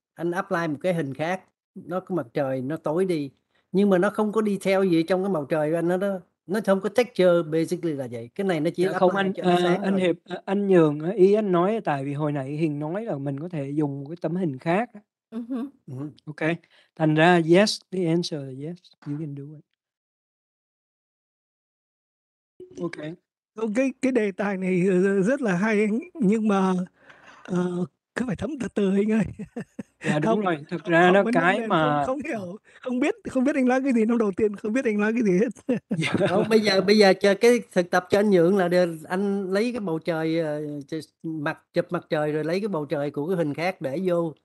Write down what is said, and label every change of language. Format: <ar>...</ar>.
<vi>Anh apply một cái hình khác, nó có mặt trời, nó tối đi. Nhưng mà nó không có detail gì trong cái bầu trời của anh đó. Nó không có texture, basically là vậy. Cái này nó chỉ dạ, không anh cho anh Hiệp, anh Nhượng, ý anh nói tại vì hồi nãy Hiền nói là mình có thể dùng một cái tấm hình khác. Uh-huh. Okay. Thành ra</vi> <en>yes, the answer is yes, you can do it. Okay.</en> <vi>Okay, cái đề tài này rất là hay nhưng mà cứ phải thấm từ từ anh ơi. Dạ đúng không, rồi, thực ra nó cái mà không biết anh nói cái gì, năm đầu tiên không biết anh nói cái gì hết. Không, bây giờ cho cái thực tập cho anh Nhượng là để anh lấy cái bầu trời mặt chụp mặt trời rồi lấy cái bầu trời của cái hình khác để vô.</vi>